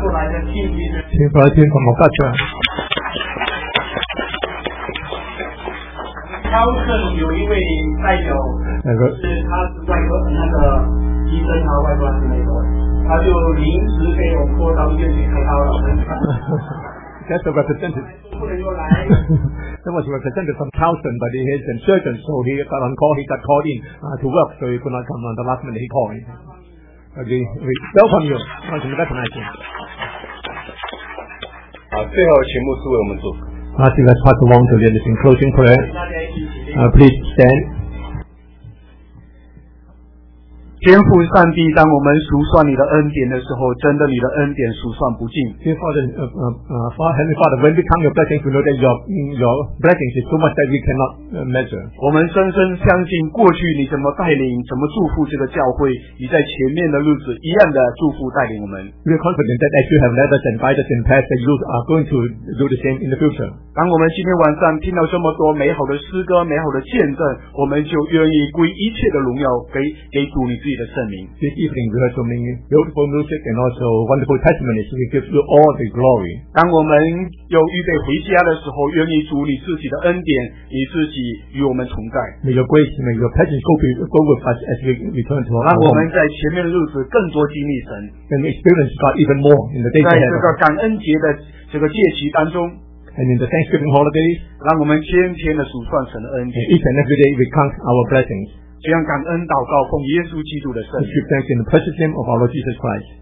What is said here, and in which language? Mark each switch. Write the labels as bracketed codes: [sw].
[zh] 过来的新义军，请过来的新义军。 [en] Carlton [zh] 有一位代表，是他是外国那个医生，他外国是美国，他就临时给我拖到医院去开刀了。 [en] That's a representative. That was represented from Towson, but he has a surgeon, so he got on call, he got called in to work, so he could not come on the last minute he called in. Okay, we welcome you. I want to recognize you. [zh] 好，最后请牧师为我们祝福。 [en] I think that's Pastor Wong to lead us in closing prayer. Please stand. [zh] 天父上帝，当我们数算你的恩典的时候，真的你的恩典数算不尽。 [en] Dear Father, Heavenly Father, when we count your blessings, we know that your blessings is so much that we cannot measure. [zh] 我们深深相信过去你怎么带领、怎么祝福这个教会，你在前面的日子一样的祝福带领我们。 [en] We are confident that as you have led us and guided us in the past, that you are going to do the same in the future. [zh] 当我们今天晚上听到这么多美好的诗歌、美好的见证，我们就愿意归一切的荣耀给主你。 [en] This evening we heard so many beautiful music and also wonderful testimonies. We give you all the glory. [zh] 当我们有预备回家的时候，愿意主你自己的恩典，你自己与我们同在。 [en] May your grace, may your presence go with us as we return to our home. [zh] 让我们在前面的日子更多经历神。 [en] And experience God even more in the days ahead. [zh] 在这个感恩节的这个节期当中。 [en] And in the Thanksgiving holidays. [zh] 让我们天天的数算神的恩典。 [en] Each and every day we count our blessings. [zh] 这样感恩祷告奉耶稣基督的圣名。 [en] Give thanks in the precious name of our Lord Jesus Christ.